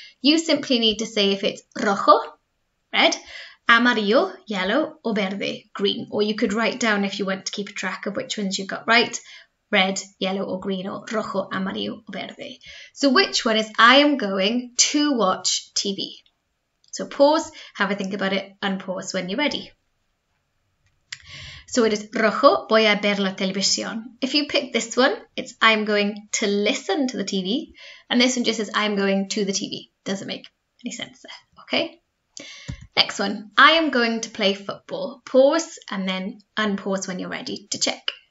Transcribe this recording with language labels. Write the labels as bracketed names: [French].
[English] You simply need to say if it's rojo, red, amarillo, yellow, or verde, green. Or you could write down if you want to keep a track of which ones you got right, red, yellow, or green, or rojo, amarillo, or verde. So which one is I am going to watch TV? So pause, have a think about it, and pause when you're ready. So it is [Spanish] rojo, voy a ver la televisión. [English] If you pick this one, it's I'm going to listen to the TV. And this one just says I'm going to the TV. Doesn't make any sense there. Okay. Next one. I am going to play football. Pause and then unpause when you're ready to check.